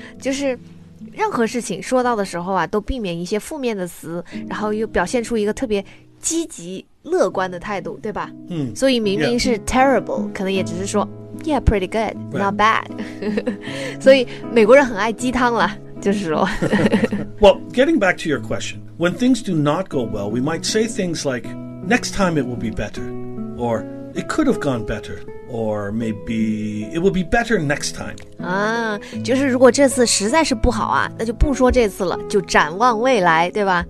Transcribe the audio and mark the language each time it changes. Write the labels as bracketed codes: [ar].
[zh] 就是任何事情说到的时候啊，都避免一些负面的词，然后又表现出一个特别积极乐观的态度，对吧？所以明明是 terrible, 可能也只是说 [en] yeah, pretty good, not bad. [zh] 所以美国人很爱鸡汤了。 [en] Well, getting back to your question, when things do not go well, we might say things like, next time it will be better, or it could have gone better, or maybe it will be better next time. [zh] 就是如果这次实在是不好啊，那就不说这次了，就展望未来，对吧？